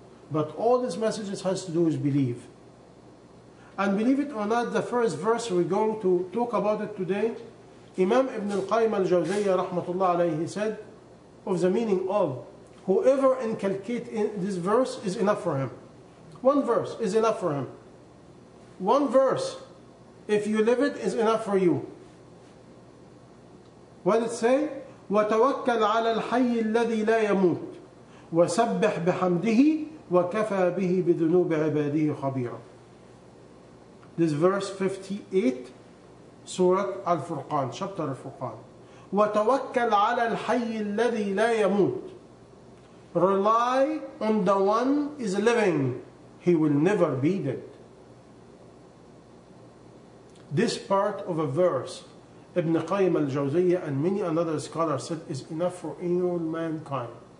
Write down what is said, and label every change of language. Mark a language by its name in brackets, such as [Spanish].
[English] But all these messages has to do with belief. And believe it or not, the first verse we're going to talk about it today, Imam Ibn Al-Qayyim Al-Jawziyyah rahmatullah alayhi said, of the meaning of whoever inculcate in this verse is enough for him. One verse is enough for him. One verse, if you live it, is enough for you. What it say? [Arabic] وَتَوَكَّلْ عَلَى الْحَيِّ الَّذِي لَا يَمُوتُ. وسبح بحمده وكفى به بذنوب عباده خبيرا. [English] This verse 58 Surah Al-Furqan, chapter Al-Furqan. [Arabic] وتوكل على الحي الذي لا يموت. [English] Rely on the one is living. He will never be dead. This part of a verse, Ibn Qayyim al-Jawziyyah and many another scholars said, is enough for all mankind.